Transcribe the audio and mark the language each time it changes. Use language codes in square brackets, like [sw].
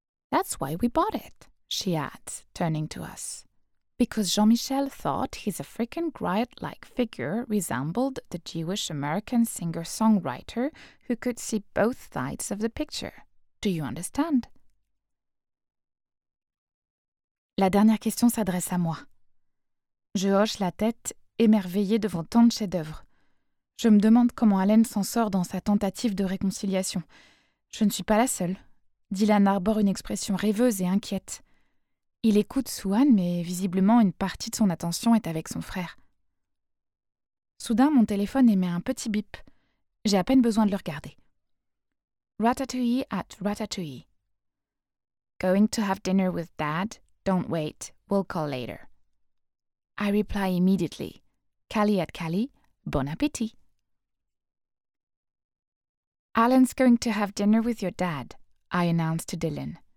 [en] That's why we bought it, she adds, turning to us. Because Jean-Michel thought his African griot-like figure resembled the Jewish-American singer-songwriter who could see both sides of the picture. Do you understand? [fr] La dernière question s'adresse à moi. Je hoche la tête, émerveillée devant tant de chefs-d'œuvre. Je me demande comment Allen s'en sort dans sa tentative de réconciliation. Je ne suis pas la seule. Dylan arbore une expression rêveuse et inquiète. Il écoute Suan, mais visiblement, une partie de son attention est avec son frère. Soudain, mon téléphone émet un petit bip. J'ai à peine besoin de le regarder. [en] Ratatouille at Ratatouille. Going to have dinner with Dad? Don't wait. We'll call later. I reply immediately. Cali at Cali. Bon appétit. Alan's going to have dinner with your dad, I announce to Dylan.